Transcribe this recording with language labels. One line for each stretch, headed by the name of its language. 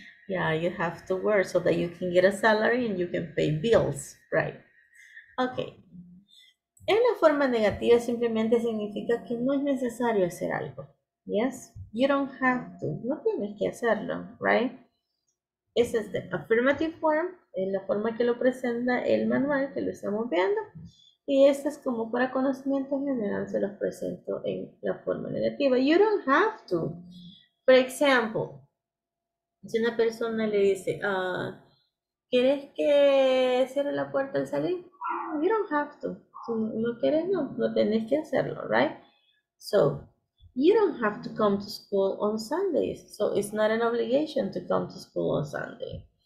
English: Yeah, you have to work so that you can get a salary and you can pay bills, right? Okay.
Spanish: En la forma negativa simplemente significa que no es necesario hacer algo.
English: Yes? You don't have to.
Spanish: No tienes que hacerlo,
English: right?
Spanish: Esa es
English: the affirmative form,
Spanish: en la forma que lo presenta el manual que lo estamos viendo. Y esta es como para conocimiento general, se los presento en la forma negativa.
English: You don't have to. For example,
Spanish: si una persona le dice, ¿quieres que cierre la puerta al salir?
English: You don't have to.
Spanish: Si no quieres, no, no tienes que hacerlo, right?
English: So, you don't have to come to school on Sundays. So, it's not an obligation to come to school on Sunday.